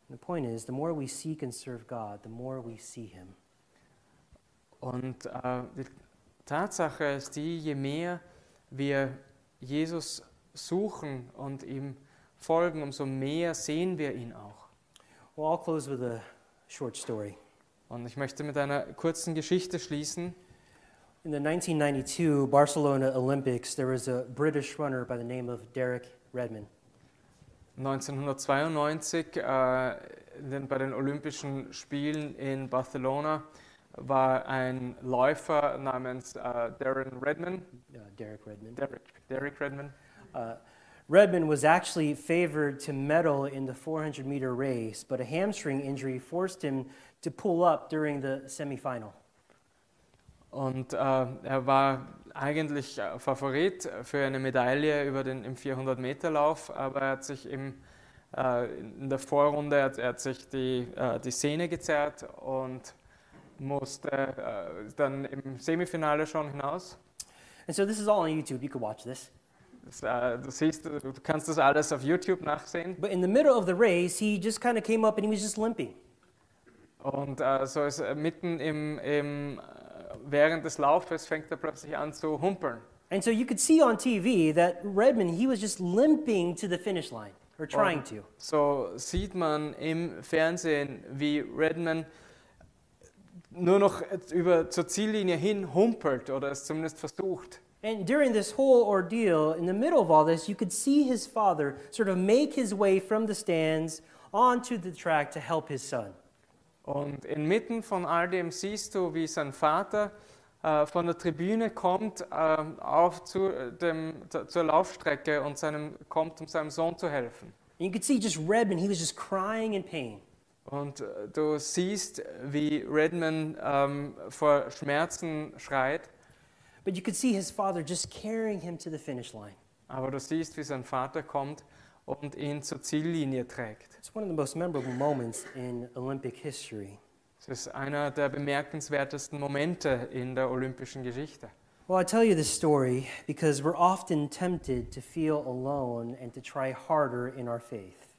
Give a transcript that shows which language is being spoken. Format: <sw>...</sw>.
<en>The point is, the more we seek and serve God, the more we see him.</en> <de>Und die Tatsache ist die, je mehr wir Jesus suchen und ihm folgen, umso mehr sehen wir ihn auch.</de> <en>Well, I'll close with a short story.</en> <de>Und ich möchte mit einer kurzen Geschichte schließen.</de> <en>In the 1992 Barcelona Olympics, there was a British runner by the name of Derek Redmond.</en> <de>1992, bei den Olympischen Spielen in Barcelona, war ein Läufer namens Darren Redmond.</de> <en>Derek Redmond.</en> <de>Derek Redmond.</de> <en>Redmond was actually favored to medal in the 400-meter race, but a hamstring injury forced him to pull up during the semifinal.</en> <de>Und er war eigentlich Favorit für eine Medaille im 400-Meter-Lauf, aber er hat sich in der Vorrunde hat sich die Sehne gezerrt und musste dann im Semifinale schon hinaus.</de> <en>And so this is all on YouTube. You can watch this.</en> <de>Du kannst das alles auf YouTube nachsehen.</de> <en>But in the middle of the race, he just kind of came up and he was just limping.</en> <de>Und so ist mitten im während des Laufes fängt er plötzlich an zu humpeln.</de> <en>And so you could see on TV that Redmond, he was just limping to the finish line, or trying to.</en> <de>So sieht man im Fernsehen, wie Redmond nur noch über zur Ziellinie hin humpelt oder es zumindest versucht.</de> <en>And during this whole ordeal, in the middle of all this, you could see his father sort of make his way from the stands onto the track to help his son.</en> <de>Und inmitten von all dem siehst du, wie sein Vater von der Tribüne kommt auf zur Laufstrecke und kommt, um seinem Sohn zu helfen.</de> <en>And you could see just Redman, he was just crying in pain.</en> <de>Und du siehst, wie Redman vor Schmerzen schreit.</de> <en>But you could see his father just carrying him to the finish line.</en> <de>Aber du siehst, wie sein Vater kommt und ihn zur Ziellinie trägt.</de> <en>It's one of the most memorable moments in Olympic history.</en> <de>Es ist einer der bemerkenswertesten Momente in der olympischen Geschichte.</de> <en>Well, I tell you this story because we're often tempted to feel alone and to try harder in our faith.</en>